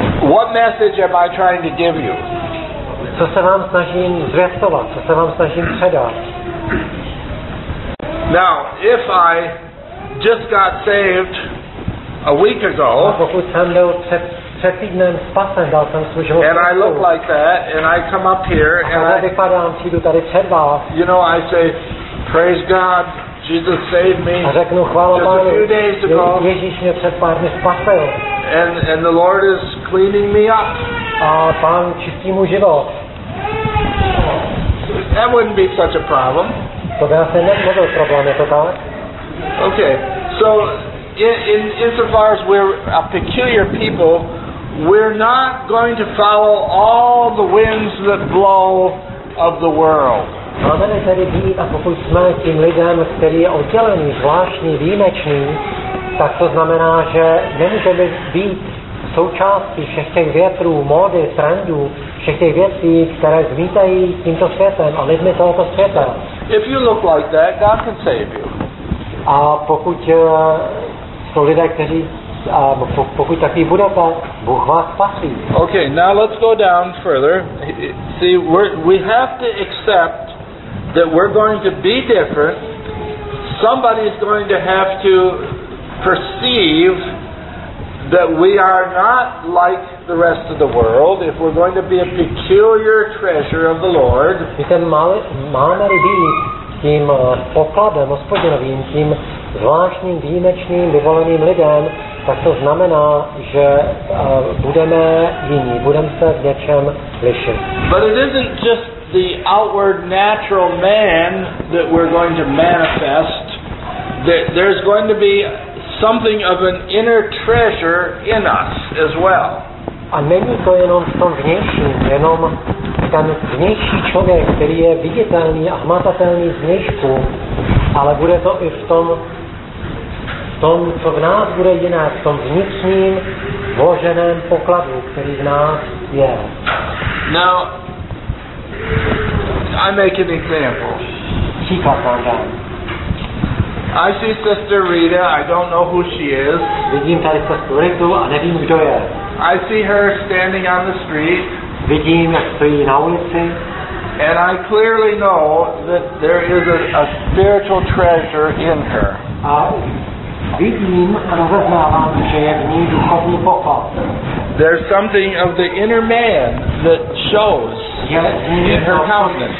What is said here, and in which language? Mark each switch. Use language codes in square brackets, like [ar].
[en] What message am I trying to give you? [cs] Co se vám snažím zvěstovat? Co se vám snažím předat? [en] Now, if I just got saved a week ago, [cs] pokud jsem byl před týdnem spasen, dal jsem svůj život. [en] And I look like that, and I come up here, and [cs] já vypadám, přijdu tady před vás. [en] You know, I say, praise God, Jesus saved me. [cs] A řeknu, chvála Pánu, [en] just a few days ago, [cs] Ježíš mě před pár dny spasil. [en] And the Lord is cleaning me up. [cs] A Pán čistí můj život. [en] That wouldn't be such a problem. [cs] To by asi nebyl problém, je to tak? [en] Okay, so insofar as we're a peculiar people, we're not going to follow all the winds that blow of the world. [cs] Máme tady být, a pokud jsme tím lidem, který je oddělený, zvláštní, výjimečný, tak to znamená, že nemůžeme být součástí všech těch větrů, módy, trendů, všech těch věcí, které zmítají tímto světem a lidmi tohoto světa. [en] If you look like that, God can save you. [cs] A pokud jsou lidé, kteří pokud takový budete, Bůh vás spasí. [en] Okay, now let's go down further. See, we have to accept that we're going to be different. Somebody is going to have to perceive that we are not like the rest of the world if we're going to be a peculiar treasure of the Lord. [cs] Máme být tím pokladem hospodinovým, tím zvláštním, výjimečným, vyvoleným lidem, tak to znamená, že budeme jiní, budeme se v něčem lišit. [en] But it isn't just the outward natural man that we're going to manifest. There's going to be something of an inner treasure in us as well. [cs] A není to jenom v tom vnějším, jenom ten vnější člověk, který je viditelný a hmatatelný zvnějšku, ale bude to i v tom, co v nás bude jiné, v tom vnitřním vloženém pokladu, který v nás je. [en] Now, I make an example. [cs] Příklad. [en] I see Sister Rita, I don't know who she is. [cs] Vidím tady Sestru Ritu a nevím, kdo je. [en] I see her standing on the street. [cs] Vidím, jak stojí na ulici. [en] And I clearly know that there is a spiritual treasure in her. [cs] A vidím a rozeznávám, že je v ní duchovní poklad. [en] There's something of the inner man that shows in her countenance.